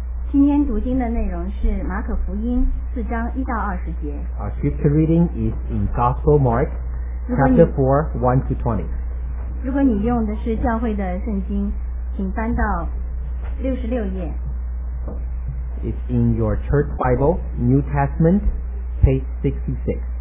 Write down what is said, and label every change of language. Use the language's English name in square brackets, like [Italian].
[English] Our scripture reading is in Gospel Mark, chapter 4, 1 to 20. [Chinese] 如果你用的是教会的圣经，请翻到66页。 [English] It's in your church Bible, New Testament, page 66.